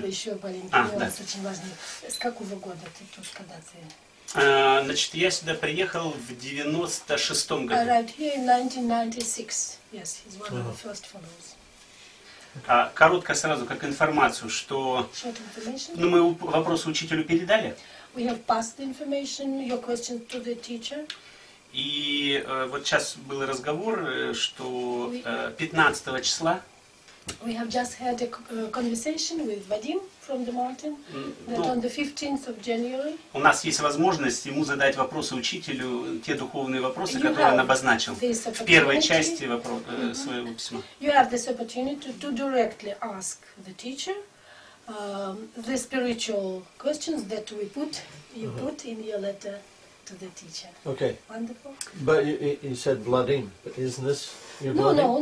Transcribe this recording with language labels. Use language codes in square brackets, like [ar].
[ru] Бы еще маленький вопрос, да. Очень важный. С какого года ты тоже когда ты? Значит, я сюда приехал в 96-м году. [en] Right, here in 1996. Yes, he's one of the first followers. [ru] Коротко сразу, как информацию, что ну, мы вопросы учителю передали. [en] We have passed the information, your question to the teacher. [ru] И вот сейчас был разговор, что 15 числа. [en] We have just had a conversation with Vadim from the mountain that on the 15th of January. [ru] У нас есть возможность ему задать вопросы учителю, те духовные вопросы, которые он обозначил в первой части своего письма. [en] You have this opportunity to directly ask the teacher the spiritual questions that we put put in your letter to the teacher. Okay. Wonderful. But you said Vladim, but isn't this your Vladim?